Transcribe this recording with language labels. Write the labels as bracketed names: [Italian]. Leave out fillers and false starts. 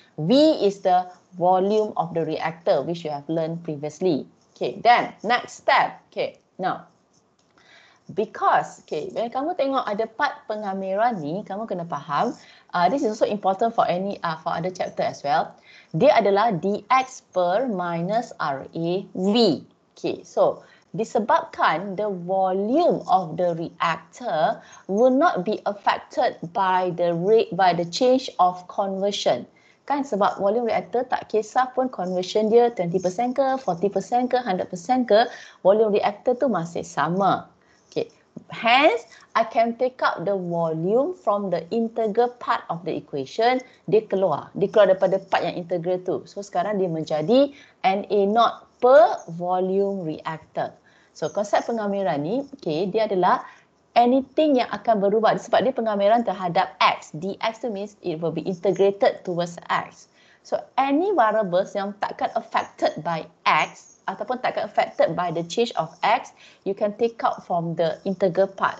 [English] V is the volume of the reactor, which you have learned previously. Okay, then next step. Okay, now, because, okay, when [Malay] kamu tengok ada part pengamiran ni, kamu kena faham, [English] this is also important for any, for other chapter as well. [Malay] Dia adalah dx per minus RAV. [English] Okay, so, [Malay] disebabkan [English] the volume of the reactor will not be affected by the rate, by the change of conversion. [Malay] Kan sebab volume reactor tak kisah pun conversion dia 20% ke, 40% ke, 100% ke, volume reactor tu masih sama. Okay. [English] Hence, I can take out the volume from the integral part of the equation, [Malay] dia keluar. Dia keluar daripada part yang integral tu. So, sekarang dia menjadi NA naught per volume reactor. So, konsep pengamiran ni, okay, dia adalah [English] anything [Malay] yang akan berubah sebab dia pengamiran terhadap x. [English] Dx tu means it will be integrated towards x. So any variables [Malay] yang takkan [English] affected by x [Malay] ataupun takkan [English] affected by the change of x, you can take out from the integral part.